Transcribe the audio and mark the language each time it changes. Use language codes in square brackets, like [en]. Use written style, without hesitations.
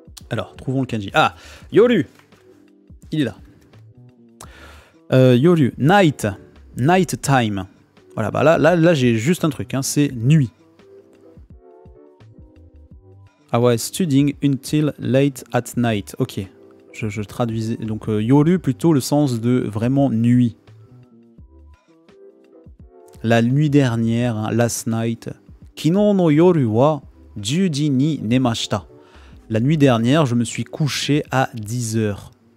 [fr] Alors, trouvons le kanji. Ah, yoru, il est là. Yoru, [en] night, night time. [fr] Voilà, bah là j'ai juste un truc, hein, c'est nuit. [en] I was studying until late at night, ok. [fr] Je traduisais donc yoru plutôt le sens de vraiment nuit. La nuit dernière, hein, [en] last night. [ja] Kino no yoru wa juji ni nemashita. [fr] La nuit dernière, je me suis couché à 10h.